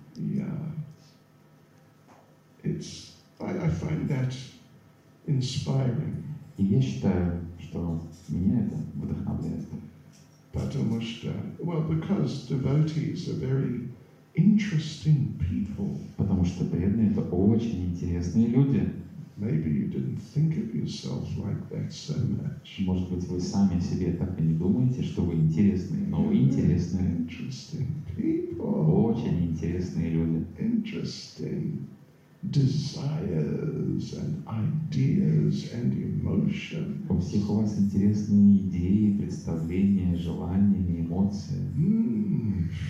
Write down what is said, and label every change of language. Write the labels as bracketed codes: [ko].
[en] Yeah, I find that inspiring. [ru] И я считаю, что меня это вдохновляет. Потому что, [en] because devotees are very interesting people. [ru] Потому что преданные это очень интересные люди. [en] Maybe you didn't think of yourself like that so much. [ru] Может быть, вы сами о себе так и не думаете, что вы интересные, но вы интересные. [en] Interesting people. [ru] Очень интересные люди. [en] Interesting desires and ideas and emotions. [ru] У всех у вас интересные идеи, представления, желания и эмоции.